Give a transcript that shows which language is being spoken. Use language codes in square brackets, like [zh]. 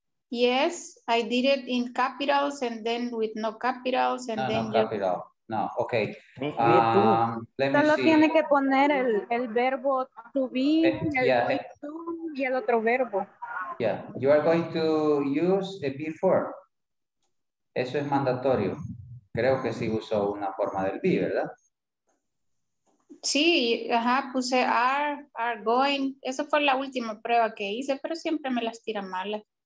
[en] Yes, I did it in capitals and then with no capitals and no, then no capital. No, okay. Let me solo see. [es] Tiene que poner el verbo to be, going to, y el otro verbo. [en] Yeah, you are going to use the before. [es] Eso es mandatorio. Creo que sí usó una forma del be, ¿verdad? Sí, ajá, puse are going. Esa fue la última prueba que hice, pero siempre me las tira malas.